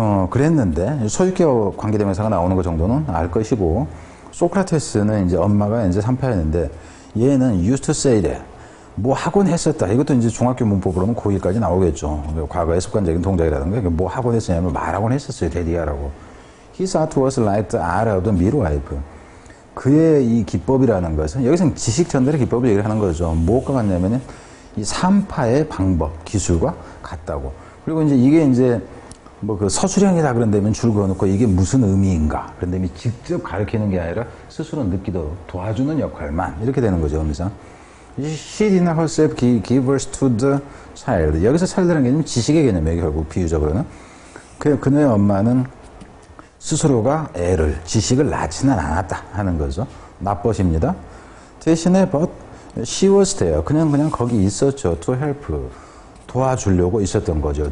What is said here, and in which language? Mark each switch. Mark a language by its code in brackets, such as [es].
[ko] 그랬는데 소유격 관계대명사가 나오는 것 정도는 알 것이고, 소크라테스는 이제 엄마가 이제 산파였는데 얘는 [en] used to say that [ko] 뭐 하곤 했었다. 이것도 이제 중학교 문법으로는 고1까지 나오겠죠. 과거의 습관적인 동작이라든가 뭐 하곤 했었냐면 말하곤 했었어요. 데디아라고. [en] His art was like the art of the midwife. [ko] 그의 이 기법이라는 것은 여기서 지식 전달의 기법을 얘기를 하는 거죠. 무엇과 같냐면 이 산파의 방법, 기술과 같다고. 그리고 이제 이게 이제 뭐 그 서술형이다 그런 데면 줄 그어놓고 이게 무슨 의미인가 그런 데면 직접 가르치는 게 아니라 스스로 느끼도 도와주는 역할만 이렇게 되는 거죠. [en] 그래서 She did not herself give birth to the child. [ko] 여기서 child라는 개념은 지식의 개념이에요. 결국 비유적으로는 그녀의 엄마는 스스로가 애를 지식을 낳지는 않았다 하는 거죠. 나뻣입니다. 대신에 [en] but she was there. [ko] 그냥 거기 있었죠. [en] To help. [ko] 도와주려고 있었던 거죠.